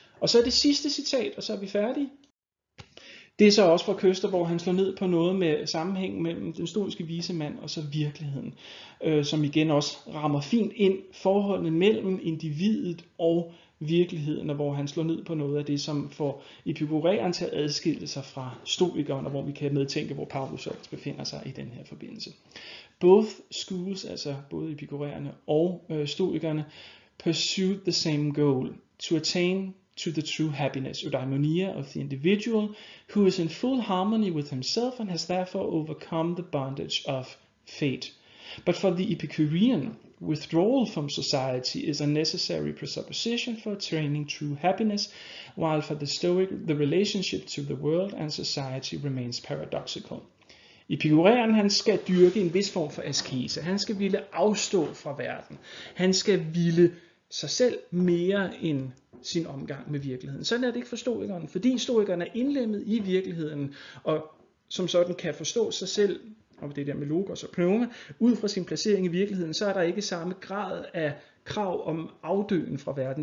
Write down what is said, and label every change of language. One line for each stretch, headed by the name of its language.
Danish: Og så er det sidste citat, og så er vi færdige. Det er så også fra Køster, hvor han slår ned på noget med sammenhængen mellem den stoiske vise mand og så virkeligheden, som igen også rammer fint ind forholdet mellem individet og virkeligheden, og hvor han slår ned på noget af det, som får epikureren til at adskille sig fra stoikeren, og hvor vi kan medtænke, hvor Paulus også befinder sig i den her forbindelse.
English: Both schools,
Danish: altså både epikurerne og stoikerne,
English: pursued the same goal, to attain to the true happiness, eudaimonia of the individual, who is in full harmony with himself and has therefore overcome the bondage of fate. But for the Epicurean, withdrawal from society is a necessary presupposition for attaining true happiness, while for the Stoic, the relationship to the world and society remains paradoxical.
Danish: Epikureren, han skal dyrke en vis form for askese. Han skal ville afstå fra verden. Han skal ville sig selv mere end sin omgang med virkeligheden. Sådan er det ikke for stoikeren, fordi stoikeren er indlemmet i virkeligheden, og som sådan kan forstå sig selv, og det der med logos og pneuma, ud fra sin placering i virkeligheden, så er der ikke samme grad af krav om afdøen fra verden.